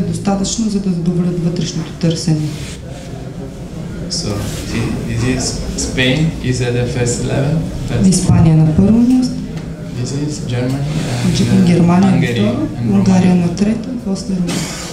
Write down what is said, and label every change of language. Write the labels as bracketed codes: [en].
[bg] Достатъчно за да задоволят вътрешното търсене. [en] So, this is Spain is at the first level. [bg] Испания на първо място. [en] This is Germany. [bg] Германия на второ, Унгария на трето, после Румъния.